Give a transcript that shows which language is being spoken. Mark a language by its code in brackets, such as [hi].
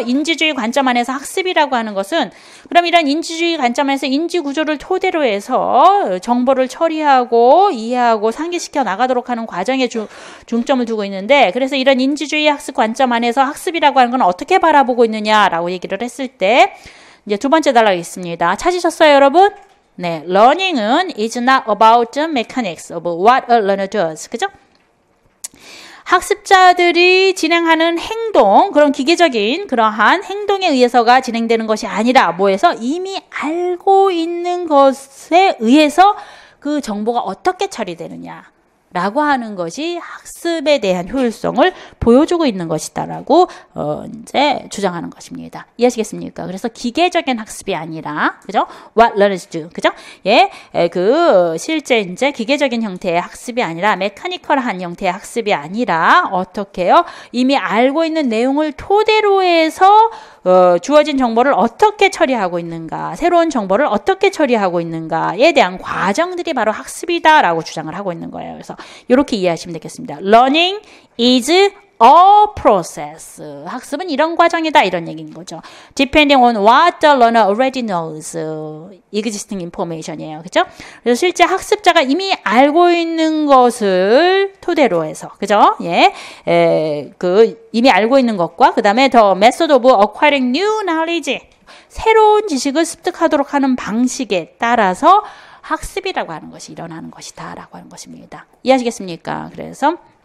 [ko] 인지주의 관점 안에서 학습이라고 하는 것은 그럼 이런 인지주의 관점에서 인지구조를 토대로 해서 정보를 처리하고 이해하고 상기시켜 나가도록 하는 과정에 중점을 두고 있는데 그래서 이런 인지주의 학습 관점 안에서 학습이라고 하는 건 어떻게 바라보고 있느냐라고 얘기를 했을 때 이제 두 번째 단락이 있습니다. 찾으셨어요, 여러분? [en] 네, learning은 is not about the mechanics of what a learner does. [ko] 그죠? 학습자들이 진행하는 행동, 그런 기계적인 그러한 행동에 의해서가 진행되는 것이 아니라 뭐에서 이미 알고 있는 것에 의해서 그 정보가 어떻게 처리되느냐라고 하는 것이 학습에 대한 효율성을 보여주고 있는 것이다라고 이제 주장하는 것입니다. 이해하시겠습니까? 그래서 기계적인 학습이 아니라 그죠? [en] What learners do, [ko] 그죠? 예, 그 실제 이제 기계적인 형태의 학습이 아니라 메카니컬한 형태의 학습이 아니라 어떻게요? 이미 알고 있는 내용을 토대로 해서 주어진 정보를 어떻게 처리하고 있는가, 새로운 정보를 어떻게 처리하고 있는가에 대한 과정들이 바로 학습이다라고 주장을 하고 있는 거예요. 그래서 이렇게 이해하시면 되겠습니다. [en] Learning is a process. [ko] 학습은 이런 과정이다. 이런 얘기인 거죠. [en] Depending on what the learner already knows. Existing information이에요. [ko] 그죠? 그래서 실제 학습자가 이미 알고 있는 것을 토대로 해서. 그죠? 예. 에, 그, 이미 알고 있는 것과, 그 다음에 [en] the method of acquiring new knowledge. [ko] 새로운 지식을 습득하도록 하는 방식에 따라서 학습이라고 하는 것이 일어나는 것이다. 라고 하는 것입니다. 이해하시겠습니까? 그래서.